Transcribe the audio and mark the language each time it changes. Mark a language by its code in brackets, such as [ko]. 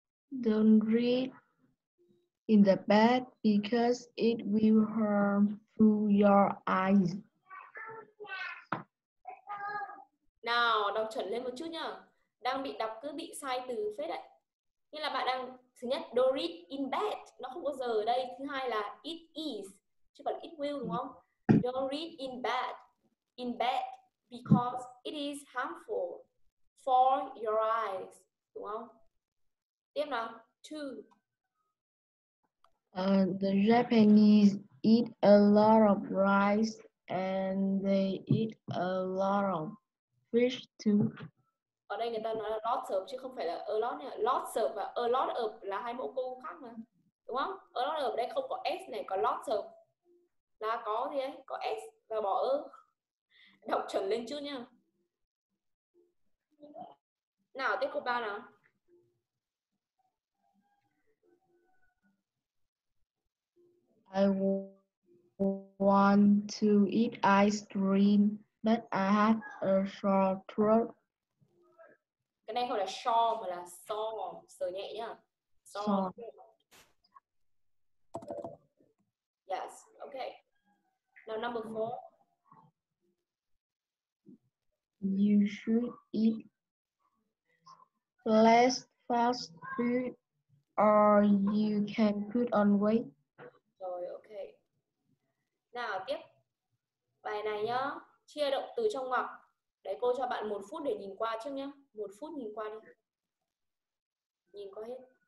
[en] Don't read in the bed because it will harm your eyes. [vi] Nào, đọc chuẩn lên một chút nhá. Đang bị đọc cứ bị sai từ phết đấy. Như là bạn đang, thứ nhất, [en] don't read in bed. [vi] Nó không có giờ ở đây. Thứ hai là it is. Chứ còn it will, đúng không? [en] Don't read in bed because it is harmful. For your eyes, [vi] đúng không? Tiếp nào, two. [en] The Japanese eat a lot of rice and they eat a lot of fish too. [vi] Ở đây người ta nói là lots of chứ không phải là a lot nha. Lots of và a lot of là hai mẫu câu khác mà, đúng không? A lot of đây không có s này, có lots of là có gì ấy, có s và bỏ ơ. Đọc chuẩn lên chút nha. Nào, tiếp câu 3 nào. I want to eat ice cream, but I have a sore throat. Cái này không là sore mà là sore, sờ nhẹ nhá. Sore. [en] Yes, okay. Now number 4. You should eat less fast food or you can put on weight. [vi] Rồi, ok. Nào, tiếp. Bài này nhá, chia động từ trong ngoặc. Đấy, cô cho bạn một phút để nhìn qua trước nhá. Một phút nhìn qua đi. Nhìn qua hết.